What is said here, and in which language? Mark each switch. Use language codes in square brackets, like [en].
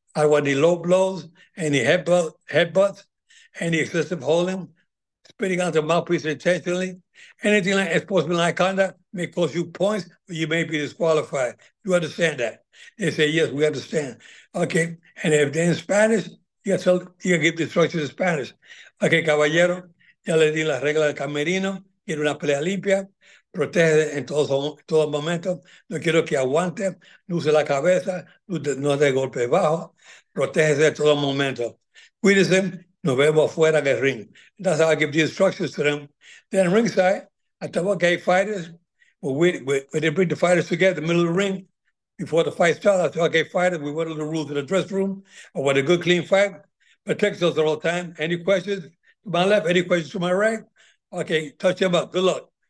[en] I don't want any low blows, any headbutts, any excessive holding, spitting out the mouthpiece intentionally. Anything like sportsmanlike conduct may cost you points, or you may be disqualified. You understand that? They say, yes, we understand. Okay. And if they're in Spanish, you can give the instructions in Spanish. [es] Okay, caballero, ya le di las reglas del camerino. Quiero una pelea limpia. Protege en todo momento. No quiero que aguante. No use la cabeza. No de golpe bajo. Protege en todo momento. Cuídese. Nos vemos afuera del ring. [en] That's how I give the instructions to them. Then ringside, I tell them, okay, fighters, when they bring the fighters together in the middle of the ring, before the fight starts, I tell them, okay, fighters, we went to the rules in the dressing room. I want a good, clean fight. Protect us at all time. Any questions to my left? Any questions to my right? Okay, touch them up. Good luck.